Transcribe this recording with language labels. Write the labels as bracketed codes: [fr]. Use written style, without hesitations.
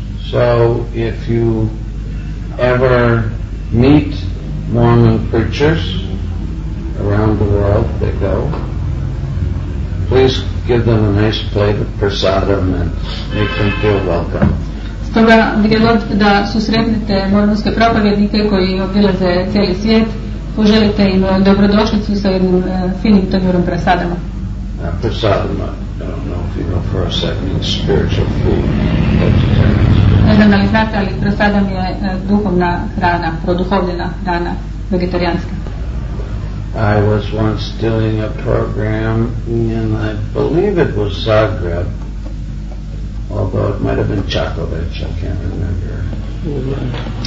[en] So if you ever meet Mormon preachers around the world, they go, please give them a nice plate of prasadam and make them feel welcome. [hr] Stoga bi bilo da susretnete mormonske propovjednike koji obilaze cijeli svijet, poželite im dobrodošlicu sa jednim finim tanjurom prasadama. [en] Prasadama, I don't know if you know for a second, means spiritual food, vegetarian. [hr] Ne znam da li znate, ali prasadam je duhovna hrana, produhovljena hrana, vegetarijanska. [en] I was once doing a program and I believe it was Zagreb, although it might have been Čakovec, I can't remember.